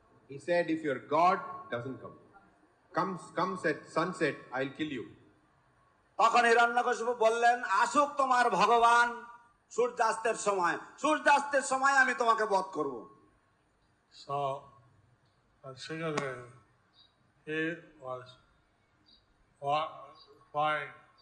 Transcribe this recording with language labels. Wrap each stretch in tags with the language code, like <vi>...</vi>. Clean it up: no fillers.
<en>He said, if your God doesn't come, comes at sunset, I'll kill you.</en> <bn>তখন হিরণ্যকশিপু বললেন, আসুক তোমার ভগবান সূর্যাস্তের সময়, সূর্যাস্তের সময় আমি তোমাকে বধ করব।</bn> <en>So, Shingadev, he was fine.</en>